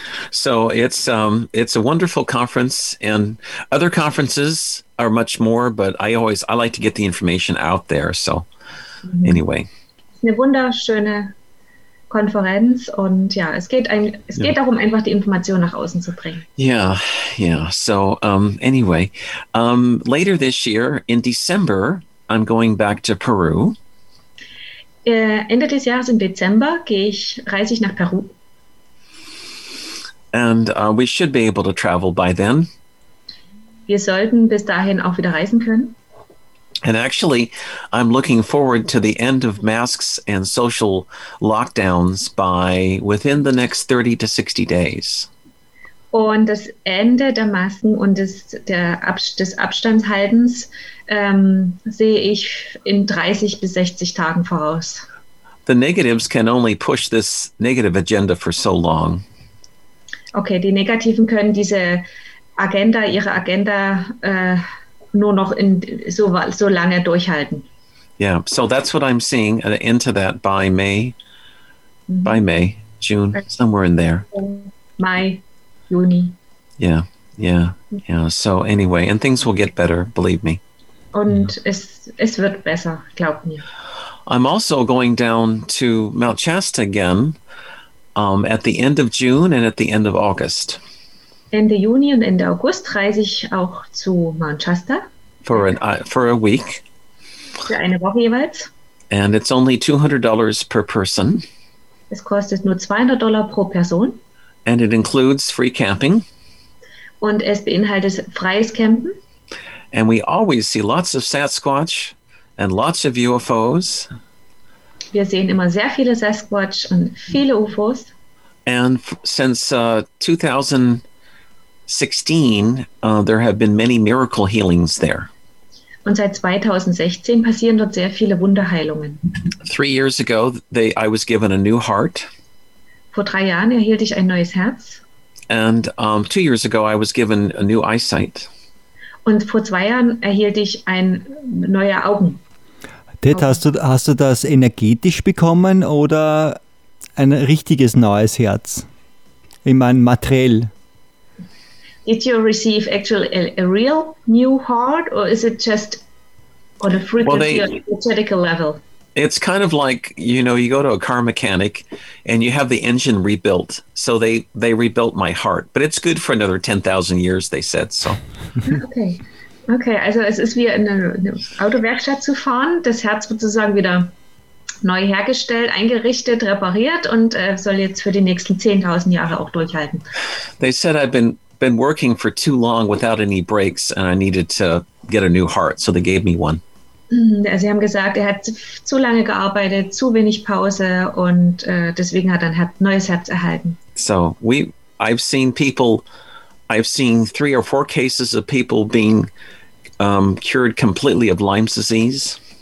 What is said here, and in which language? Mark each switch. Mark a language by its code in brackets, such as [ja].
[en] So it's a wonderful conference, and other conferences are much more. But I like to get the information out there. So anyway, [de] eine wunderschöne Konferenz und ja, es geht darum, einfach die Information nach außen zu bringen. [en] Yeah, yeah. So anyway, later this year in December, I'm going back to Peru. [de] Ende des Jahres im Dezember reise ich nach Peru. [en] And we should be able to travel by then. [de] Wir sollten bis dahin auch wieder reisen können. [en] And actually, I'm looking forward to the end of masks and social lockdowns by within the next 30 to 60 days. [de] Und das Ende der Masken und des Abstandshaltens sehe ich in 30 bis 60 Tagen voraus. [en] The negatives can only push this negative agenda for so long. [de] Okay, die Negativen können diese Agenda, ihre Agenda nur noch in so lange durchhalten. [en] Yeah, so that's what I'm seeing into that by May, mm-hmm. by May, June, somewhere in there. [de] Mai, Juni. [en] Yeah, yeah, yeah. So anyway, and things will get better, believe me. [de] Und yeah. es wird besser, glaub mir. [en] I'm also going down to Mount Shasta again at the end of June and at the end of August. [de] Ende Juni und Ende August reise ich auch zu Mount Shasta. [en] For a week. [de] Für eine Woche jeweils. [en] And it's only $200 per person. [de] Es kostet nur $200 pro Person. [en] And it includes free camping. [de] Und es beinhaltet freies Campen. [en] And we always see lots of Sasquatch and lots of UFOs. [de] Wir sehen immer sehr viele Sasquatch und viele UFOs. [en] And since 2016, there have been many miracle healings there. [de] Und seit 2016 passieren dort sehr viele Wunderheilungen. [en] 3 years ago, I was given a new heart. [de] Vor 3 Jahren erhielt ich ein neues Herz. [en] And 2 years ago, I was given a new eyesight. [de] Und vor 2 Jahren erhielt ich ein neue Augen. Ted, hast du das energetisch bekommen oder ein richtiges neues Herz? Ich meine materiell. [en] Did you receive actually a real new heart, or is it just on a frequency or energetic level? It's kind of like, you know, you go to a car mechanic and you have the engine rebuilt. So they rebuilt my heart, but it's good for another 10,000 years, they said, so. [de] Okay, also es ist wie in eine Autowerkstatt zu fahren. Das Herz wird sozusagen wieder neu hergestellt, eingerichtet, repariert und soll jetzt für die nächsten 10,000 Jahre auch durchhalten. [en] They said I've been working for too long without any breaks and I needed to get a new heart, so they gave me one. [de] Sie haben gesagt, er hat zu lange gearbeitet, zu wenig Pause und deswegen hat er ein neues Herz erhalten. [en] So, I've seen 3 or 4 cases of people being cured completely of Lyme's disease.